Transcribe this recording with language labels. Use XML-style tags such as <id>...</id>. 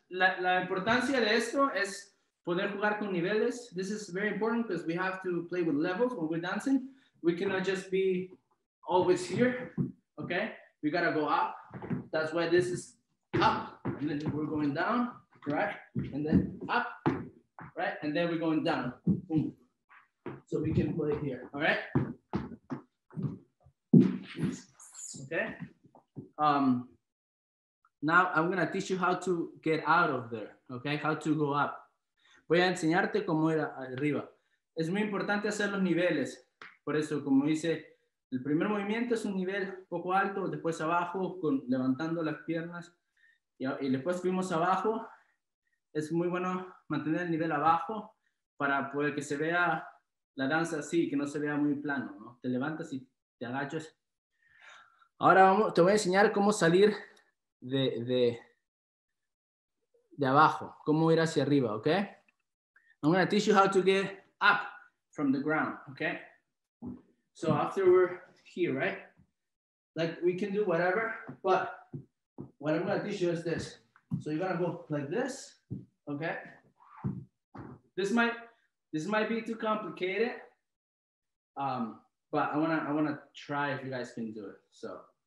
<es>La importancia de esto es poder jugar con niveles.</es> <en>This is very important because we have to play with levels when we're dancing. We cannot just be always here, okay? We gotta go up. That's why this is up, and then we're going down, right? And then up, right? And then we're going down, boom. So we can play here, all right? Okay? Now I'm gonna teach you how to get out of there, okay? How to go up.</en> <es>Voy a enseñarte cómo ir arriba. Es muy importante hacer los niveles. Por eso, como dice, el primer movimiento es un nivel poco alto, después abajo, levantando las piernas, y después fuimos abajo. Es muy bueno mantener el nivel abajo para poder que se vea la danza así, que no se vea muy plano, ¿no? Te levantas y te agachas. Ahora te voy a enseñar cómo salir de abajo, cómo ir hacia arriba, okay?</es> <en>I'm gonna teach you how to get up from the ground, okay? So after we're here, right? Like, we can do whatever, but what I'm gonna teach you is this. So you're gonna go like this, okay? This might be too complicated, but I wanna try if you guys can do it, so.</en>